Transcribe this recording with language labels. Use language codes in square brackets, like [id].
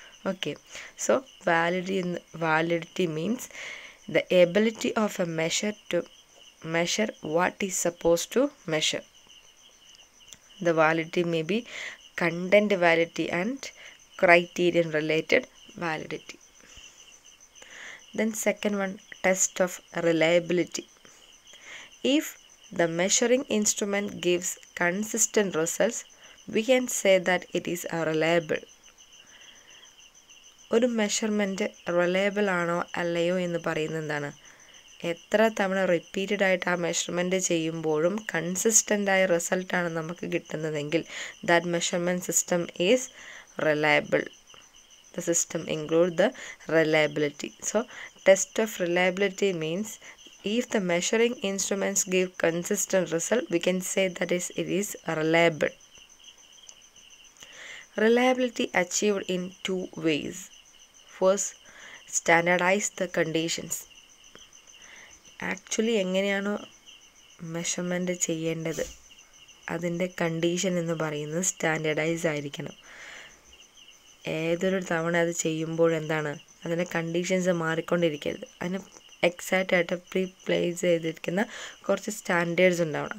[en] Okay, so validity means the ability of a measure to measure what is suppose to measure. The validity may be content validity and criterion related validity. Then second one test of reliability. If the measuring instrument gives consistent results, we can say that it is reliable. [ml] ഒരു measurement reliable ആണോ അല്ലയോ എന്ന് പറയുന്നത് എന്താണ്? എത്ര തവണ repeated ആയിട്ട് ആ മെഷർമെൻറ്റ് ചെയ്യുമ്പോഴും കൺസിസ്റ്റൻ്റായ റിസൾട്ടാണ് നമുക്ക് കിട്ടുന്നതെങ്കിൽ [en] That measurement system is reliable. The system include the reliability. So test of reliability means If the measuring instruments give consistent result, we can say that it is reliable. Reliability achieved in two ways. First, standardize the conditions. [ml] Actually, എങ്ങനെയാണോ measurement ചെയ്യേണ്ടത് അതിൻ്റെ condition എന്ന് പറയുന്നത് standardise ആയിരിക്കണം. ഏതൊരു തവണ അത് ചെയ്യുമ്പോഴെന്താണ് അതിൻ്റെ കണ്ടീഷൻസ് മാറിക്കൊണ്ടിരിക്കരുത്. അതിന് എക്സാക്റ്റ് ആയിട്ട് പ്രീ പ്ലേസ് ചെയ്തിരിക്കുന്ന കുറച്ച് സ്റ്റാൻഡേർഡ്സ് ഉണ്ടാവണം.